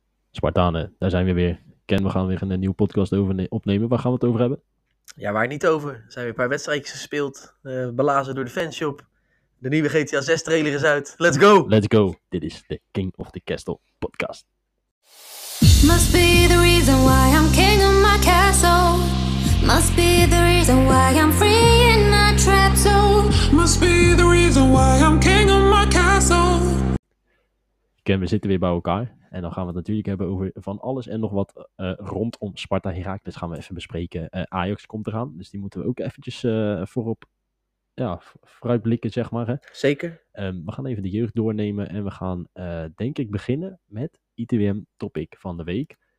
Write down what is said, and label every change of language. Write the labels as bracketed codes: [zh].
[nl] Spartanen, daar zijn we weer. Ken, we gaan weer een nieuwe podcast over opnemen. Waar gaan we het over hebben? Ja, waar niet over. Er zijn weer een paar wedstrijdjes gespeeld. Belazen door de fanshop. De nieuwe GTA 6 trailer is uit. [en] Let's go! Let's go. [nl] Dit is de King of the Castle podcast. [en] Must be the reason why I'm king of my castle. Must be the reason why I'm free in my trap zone. Must be the reason why I'm king of my castle. [nl] Ken, we zitten weer bij elkaar. En dan gaan we het natuurlijk hebben over van alles en nog wat rondom Sparta Heracles. Dus gaan we even bespreken. Ajax komt eraan, dus die moeten we ook eventjes voorop vooruitblikken, zeg maar. Hè. Zeker. We gaan even de jeugd doornemen en we gaan denk ik beginnen met ITWM topic van de week.